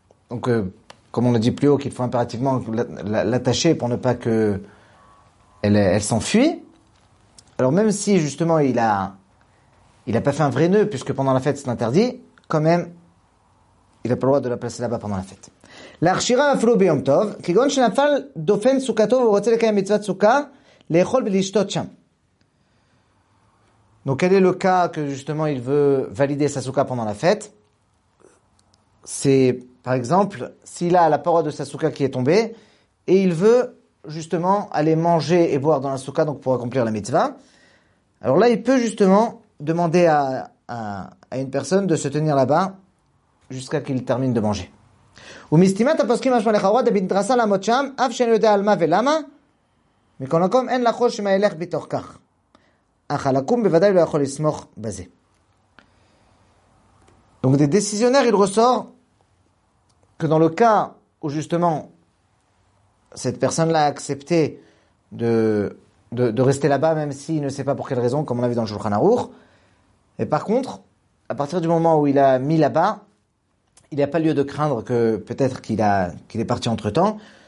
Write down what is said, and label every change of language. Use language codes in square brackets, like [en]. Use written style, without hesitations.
[fr] Donc comme on l'a dit plus haut qu'il faut impérativement l'attacher pour ne pas que elle s'enfuit. Alors même si justement il a pas fait un vrai nœud puisque pendant la fête c'est interdit, quand même il a pas le droit de la placer là-bas pendant la fête. [he] להכשירה אפילו ביום טוב, כגון שנפל דופן סוכתו ורוצה לקיים מצוות סוכה, לאכול ולשתות שם. [fr] Donc quel est le cas que justement il veut valider sa soukha pendant la fête? C'est par exemple s'il a la paroi de sa soukha qui est tombée et il veut justement aller manger et boire dans la soukha donc pour accomplir la mitzvah. Alors là il peut justement demander à une personne de se tenir là-bas jusqu'à qu'il termine de manger. [he] ומסתימת הפוסקים משמע לכאורה דבנדרסה לעמוד שם אף שאין יודע על מה ולמה מכל מקום אין לחוש שמה ילך בתוך כך אך הלקום בוודאי לא יכול לסמוך בזה. [fr] Donc des décisionnaires, il ressort que dans le cas où justement cette personne l'a accepté de rester là-bas, même s'il ne sait pas pour quelle raison, comme on a vu dans le Shulchan Aruch. Et par contre, à partir du moment où il a mis là-bas, il n'a pas lieu de craindre que peut-être qu'il est parti entre-temps.